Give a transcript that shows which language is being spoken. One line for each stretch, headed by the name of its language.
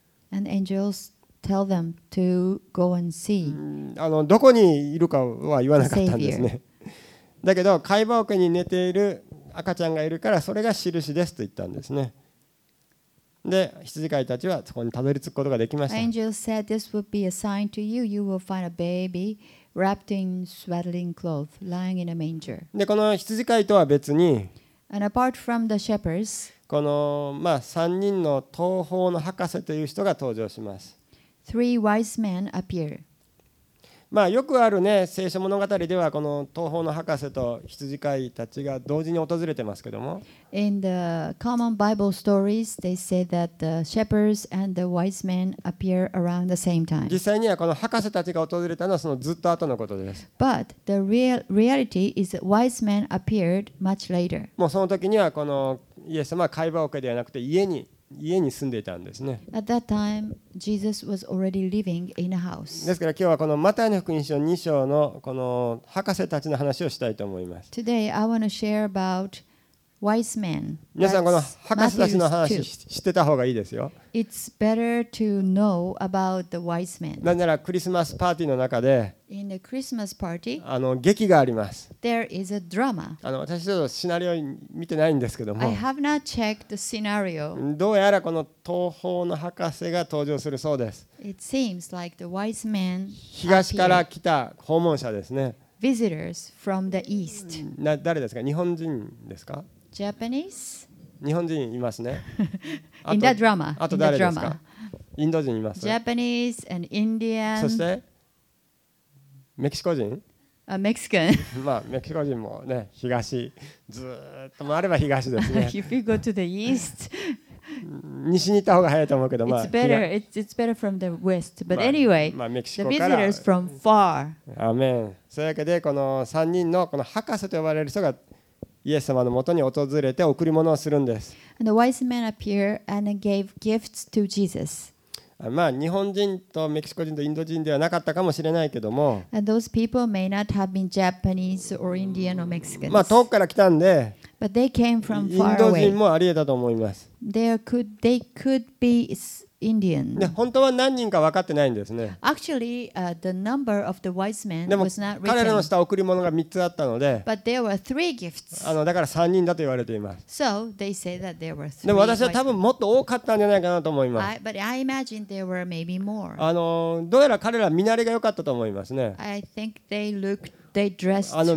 English: And angelsTell them to go and see.
Japanese: あのどこにいるかは言わなかったんですね。だけど飼い葉桶に寝ている赤ちゃんがいるからそれが印ですと言ったんですね。で羊飼いたちはそこにたどり着くことができました。
English: Angel said this would be a sign to you. You will find a baby wrapped in swaddling cloth, lying in a manger.
Japanese: でこの羊飼いとは別に
English: And apart from the shepherds,
Japanese: この、まあ、3人の東方の博士という人が登場します。
English: Three wise men appear.
Japanese: まあよくあるね、聖書物語ではこの東方の博士と羊飼いたちが同時に訪れてますけども。
English: In the common Bible stories, they say that the shepherds and the wise men appear around the same time.
Japanese: 実際にはこの博士たちが訪れたのはそのずっと後のことです。
English: But the reality is that wise men appeared much later.
Japanese: もうその時にはこのイエス様は飼い葉桶ではなくて家に住んでいたんですね。
English: At that time, Jesus was already living in a house.
Japanese: ですから今日はこのマタイの福音書2章のこの博士たちの話をしたいと思います。
English: Today, I want to share about wise men.
Japanese: 皆さんこの博士たちの話知ってた方がいいですよ。
English: It's better to know about the wise men.
Japanese: なんならクリスマスパーティーの中で
English: In the Christmas party,
Japanese: あの劇があります。
English: There is a drama.
Japanese: あの私ちょっとシナリオ見てないんですけども
English: I have not checked the scenario.
Japanese: どうやらこの東方の博士が登場するそうです。
English: It seems like the wise men
Japanese: 東から来た訪問者ですね。
English: Visitors from the east.
Japanese: 誰ですか？日本人ですか？
English: Japanese?
Japanese: 日本人いますね。
English: In that drama.
Japanese: あと誰ですか？インド人います。
English: Japanese and Indian.
Japanese: そしてメキシコ人？あ、メキシカン。まあメキシコ人もね、東ずっと回れば東ですね。
English: If you go to the east,
Japanese: 西に行った方が早いと思うけど、まあ
English: It's better. It's better from the west. But anyway,
Japanese: まあメキシコから。
English: The visitors from far.
Japanese: アメン。そういうわけでこの3人のこの博士と呼ばれる人がイエス様のもとに訪れて贈り物をするんです。
English: And the wise men appear and gave gifts to Jesus.
Japanese: まあ日本人とメキシコ人とインド人ではなかったかもしれないけども。
English: And those people may not have been Japanese or Indian or Mexican.
Japanese: まあ遠くから来たんで。
English: But they came from far away.
Japanese: インド人もありえたと思います。
English: They could be. Indian.
Japanese: 本当は何人か分かってないんですね。
English: Actually, the number of the wise men was not written.
Japanese: でも彼らのした贈り物が3つあったので。
English: But there were three gifts.
Japanese: だから3人だと言われています。
English: So they say that there were three.
Japanese: でも私は多分もっと多かったんじゃないかなと思います。
English: But I imagine there were maybe more.
Japanese: どうやら彼ら見慣れが良かったと思いますね。
English: I think they looked. They dressed well.